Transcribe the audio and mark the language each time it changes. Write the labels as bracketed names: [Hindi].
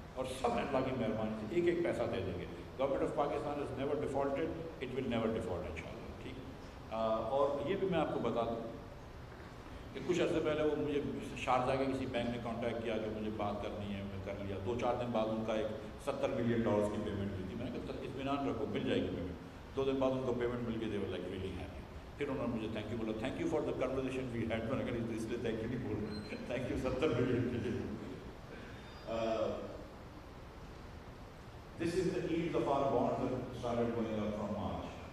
[Urdu] Aur sab Allah ki meharbani se ek ek paisa de denge. [English] Government of Pakistan has never defaulted, it will never default, [Urdu] inshallah, theek. Aur ye bhi main aapko bata dun, کہ کچھ عرصے پہلے وہ مجھے Sharjah کے کسی bank نے contact کیا کہ مجھے بات کرنی ہے, میں کر لیا. دو چار دن بعد ان کا ایک $70 million کی پیمنٹ ملی. میں نے کہا سر اطمینان رکھو, مل جائے گی پیمنٹ. دو دن بعد ان کو پیمنٹ مل گئی, [English] They were like really happy. [Urdu] پھر انہوں نے مجھے [English] Thank you بولا, thank you for the conversation we had. [Urdu] میں نے کہا اس لیے تھینک یو نہیں بول رہا, thank you 70 million. [English] This is the yield of our bonds that started going up from March.